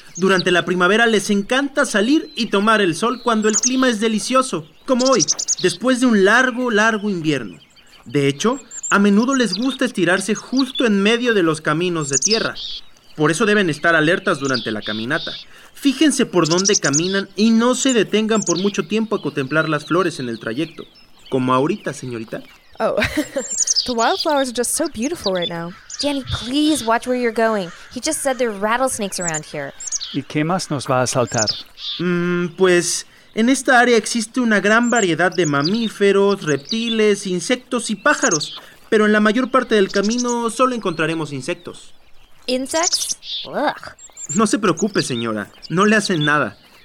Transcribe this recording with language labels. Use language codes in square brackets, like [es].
[es] Durante la primavera les encanta salir y tomar el sol cuando el clima es delicioso, como hoy, después de un largo, largo invierno. De hecho, a menudo les gusta estirarse justo en medio de los caminos de tierra. Por eso deben estar alertas durante la caminata. Fíjense por dónde caminan y no se detengan por mucho tiempo a contemplar las flores en el trayecto. Como ahorita, señorita. [en] Oh, the wildflowers are just so beautiful right now. Danny, please watch where you're going. He just said there are rattlesnakes around here. [es] ¿Y qué más nos va a saltar? Pues, en esta área existe una gran variedad de mamíferos, reptiles, insectos y pájaros. Pero en la mayor parte del camino solo encontraremos insectos. [en] ¿Insects? Ugh. [es] No se preocupe, señora. No le hacen nada.